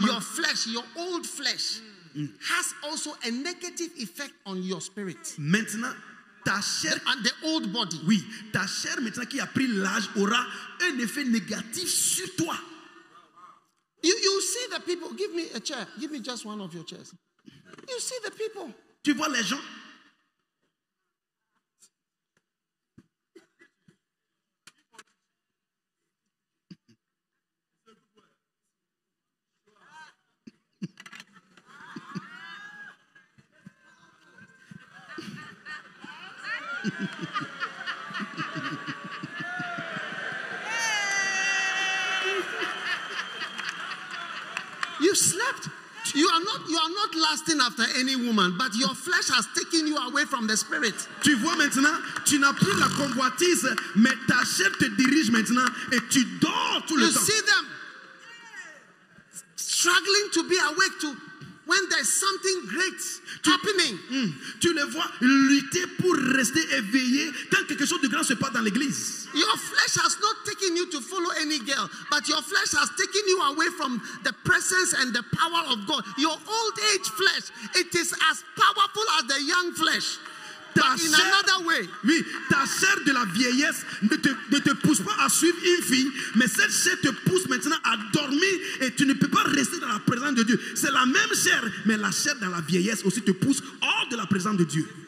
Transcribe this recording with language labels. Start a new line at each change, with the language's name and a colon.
English: your flesh, your old flesh has also a negative effect on your spirit.
French: Maintenant, ta chair
English: and the old body.
French: Oui, ta chair maintenant qui a pris l'âge aura un effet négatif sur toi.
English: You see the people. Give me a chair. Give me just one of your chairs. You see the people.
French: Tu vois les gens?
English: You slept. You are not You are not lasting after any woman, but your flesh has taken you away from the spirit.
French: Tu vois maintenant, tu n'as plus la convoitise, mais ta chair te dirige maintenant et tu dors tout le temps.
English: You see them struggling to be awake to when there's something great happening.
French: Tu les vois lutter pour rester éveillé quand quelque chose de grand se passe dans l'église.
English: Your flesh has not taken you to follow any girl, but your flesh has taken you away from the presence and the power of God. Your old age flesh, it is as powerful as the young flesh. But in another way.
French: Oui, ta chair de la vieillesse ne te pousse pas à suivre une fille, mais cette chair te pousse maintenant à dormir et tu ne peux pas rester dans la présence de Dieu. C'est la même chair, mais la chair dans la vieillesse aussi te pousse hors de la présence de Dieu.